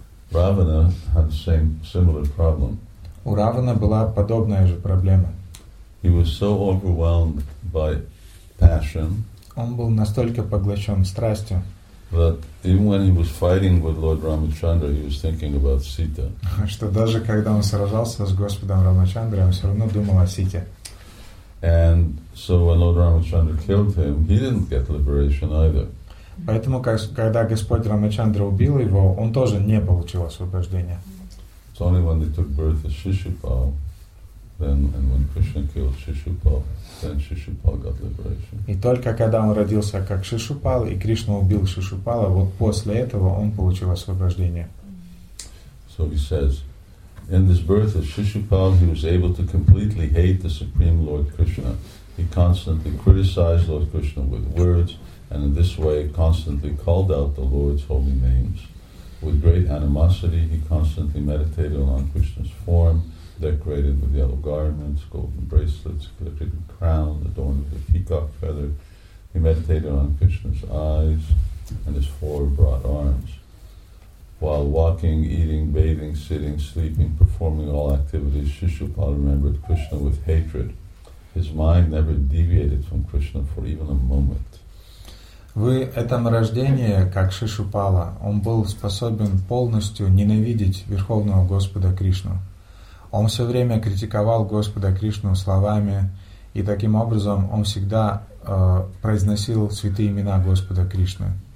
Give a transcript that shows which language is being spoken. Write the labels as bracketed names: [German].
[English] Ravana had the same similar problem. [Russian] У Равана была подобная же проблема. [English] He was so overwhelmed by passion. [Russian] Он был настолько поглощен страстью. [English] That even when he was fighting with Lord Ramachandra, he was thinking about Sita. [Russian] Что даже когда он сражался с Господом Рамачандрой, он все равно думал о Сите. [English] And so when Lord Ramachandra killed him, he didn't get liberation either. [Russian] Поэтому когда Господь Рамачандра убил его, он тоже не получил освобождения. [English] It's only when they took birth as Шишупал, then and when Krishna killed Шишупал, then Шишупал got liberation. [Russian] И только когда он родился как Шишупал и Кришна убил Шишупала, вот после этого он получил освобождение. [English] So he says. In this birth of Shishupal, he was able to completely hate the Supreme Lord Krishna. He constantly criticized Lord Krishna with words, and in this way constantly called out the Lord's holy names. With great animosity, he constantly meditated on Krishna's form, decorated with yellow garments, golden bracelets, glittering crown, adorned with a peacock feather. He meditated on Krishna's eyes and his four broad arms. While walking, eating, bathing, sitting, sleeping, performing all activities, Shishupal remembered Krishna with hatred. His mind never deviated from Krishna for even a moment. [Russian] В этом рождении, как Шишупала, он был способен полностью ненавидеть Верховного Господа Кришну. Он все время критиковал Господа Кришну словами, и таким образом он всегда произносил святые имена Господа Кришны.